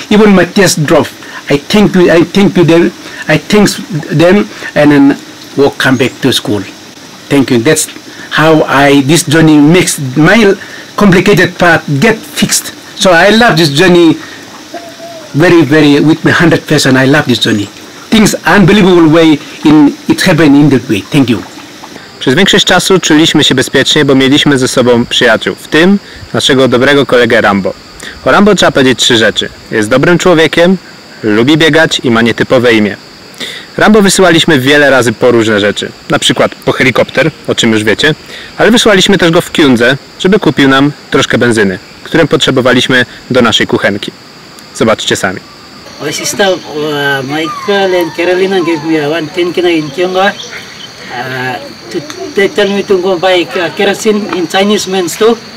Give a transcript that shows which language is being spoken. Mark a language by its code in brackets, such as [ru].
[en] Even my tears dropped. I thank them and then we'll come back to school. Thank you. That's how this journey makes my complicated part get fixed. So I love this journey very, very with my 100%. I love this journey. Things unbelievable way in it happened in that way. Thank you. [pl] Przez większość czasu czuliśmy się bezpiecznie, bo mieliśmy ze sobą przyjaciół, w tym naszego dobrego kolegę Rambo. O Rambo trzeba powiedzieć trzy rzeczy. Jest dobrym człowiekiem, lubi biegać i ma nietypowe imię. Rambo wysyłaliśmy wiele razy po różne rzeczy, na przykład po helikopter, o czym już wiecie, ale wysyłaliśmy też go w Kiundze, żeby kupił nam troszkę benzyny, którą potrzebowaliśmy do naszej kuchenki. Zobaczcie sami. [en] My sister, Michael and Carolina gave me $110 to tell me to go buy kerosene in Chinese men's too.